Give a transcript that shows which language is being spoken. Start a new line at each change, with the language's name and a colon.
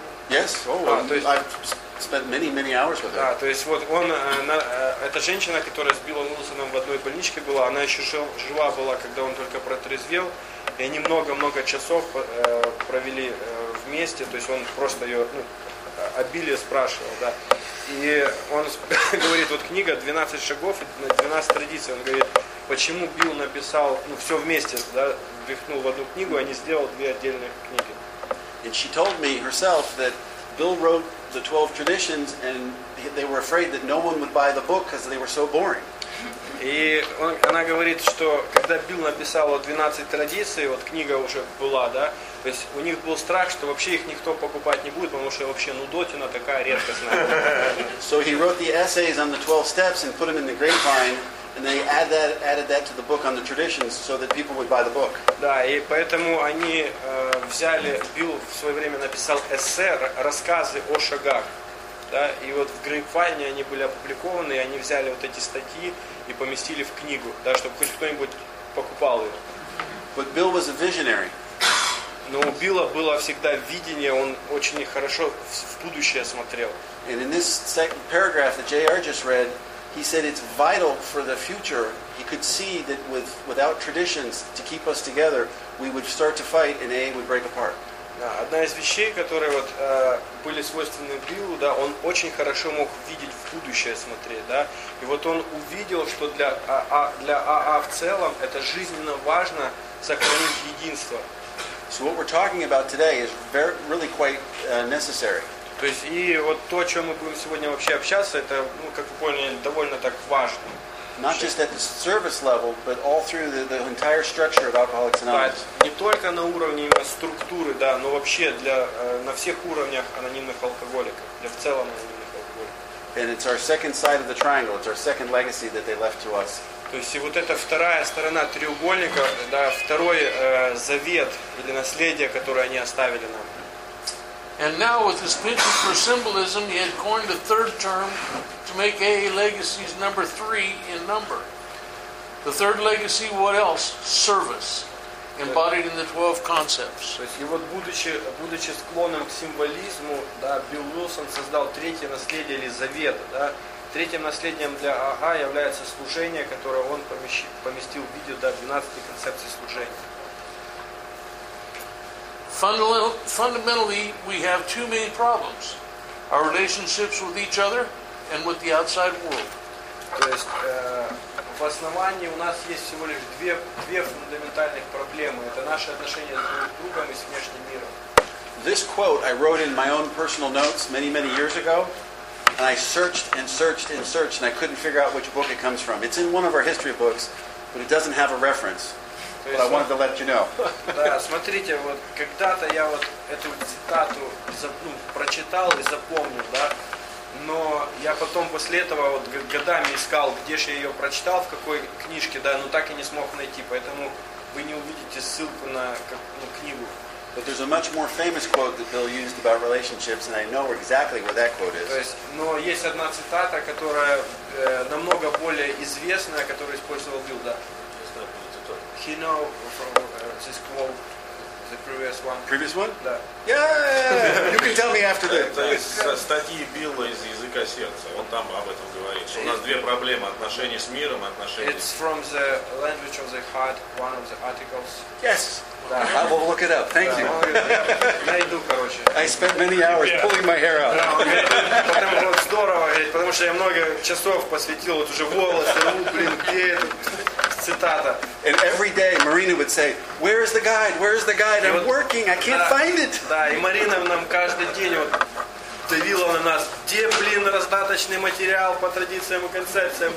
English: Yes. I've spent many hours with her.
Russian: Да, то есть вот он, эта женщина, которая с Биллом Уилсоном в одной больничке была, она еще жива была, когда он только протрезвел, и они много часов провели вместе. То есть он просто ее обилие спрашивал, да. И он говорит, вот книга 12 шагов и 12 традиций. Он говорит, почему Билл написал все вместе, да, впихнул в одну книгу, а не сделал две отдельных книги.
English: And she told me herself that Bill wrote the 12 traditions and they were afraid that no one would buy the book because they were so boring.
Russian: И она говорит, что когда Билл написал 12 традиций, вот книга уже была, да, то есть у них был страх, что вообще их никто покупать не будет, потому что вообще нудотина такая редкостная.
English: So he wrote the essays on the 12 steps and put them in the grapevine. And they added that to the book on the traditions so that people would buy the book.
Russian: Да, и поэтому они взяли, Билл в свое время написал эссе, рассказы о шагах. Да, и вот в Грейпвайне они были опубликованы, и они взяли вот эти статьи и поместили в книгу, да, чтобы хоть кто-нибудь покупал ее.
English: But Bill was a visionary.
Russian: Но у Билла было всегда видение, он очень хорошо в будущее смотрел.
English: And in this second paragraph that J.R. just read, he said it's vital for the future. He could see that without traditions to keep us together, we would start to fight and AA would break apart.
Russian: Одна из вещей, которые вот были свойственны Биллу, да, он очень хорошо мог видеть в будущее смотреть, да. И вот он увидел, что для АА в целом это жизненно важно сохранить единство.
English: So what we're talking about today is very, really quite necessary.
Russian: То есть и вот то, о чем мы будем сегодня вообще общаться, это, как вы поняли, довольно так важно.
English: Not just at the service level, but all through the entire structure of Alcoholics Anonymous.
Russian: Да, не только на уровне структуры, да, но вообще на всех уровнях анонимных алкоголиков, для в целом анонимных алкоголиков.
English: And it's our second side of the triangle, it's our second legacy that they left to us.
Russian: То есть и вот эта вторая сторона треугольника, да, второй завет или наследие, которое они оставили нам.
English: And now, with his penchant for symbolism, he had coined a third term to make AA legacies number three in number. The third legacy, what else? Service, embodied in the 12 concepts.
Russian: То есть, и вот будучи склонным к символизму, да, Билл Уилсон создал третье наследие или завет, да. Третьим наследием для АА является служение, которое он поместил в виде, да, 12 концепций служения.
English: Fundamentally, we have two main problems: our relationships with each other and with the outside world.
Russian: То есть в основании у нас есть всего лишь две фундаментальных проблемы. Это наши отношения с друг другом и с внешним миром.
English: This quote I wrote in my own personal notes many years ago, and I searched and I couldn't figure out which book it comes from. It's in one of our history books, but it doesn't have a reference. But I wanted to let you know.
Russian: Да, смотрите, вот когда-то я вот эту цитату прочитал и запомнил, да. Но я потом после этого вот годами искал, где же я ее прочитал, в какой книжке, да, но так и не смог найти. Поэтому вы не увидите ссылку на книгу.
English: But there's a much more famous quote that Bill used about relationships, and I know exactly where that quote is.
Russian: То есть, но есть одна цитата, которая намного более известная, которую использовал Билл, да.
English: He know from this quote. The previous one? Yeah! You can tell me after that.
Russian: Это из статьи Билла из «Языка сердца». Он там об этом говорит. У нас две проблемы. Отношения с миром, отношения...
English: It's from the language of the heart, one of the articles. Yes! Да. I will look it up. Thank you.
Russian: Найду, короче.
English: I spent many hours pulling my hair out.
Russian: Потому что здорово, потому что я много часов посвятил, вот уже волосы, блин, где это...
English: And every day Marina would say, "Where is the guide? Where is the guide? I'm working. I can't find it."
Russian: Да, и Марина нам каждый день вот давила на нас. Где, блин, раздаточный материал по традициям и концепциям?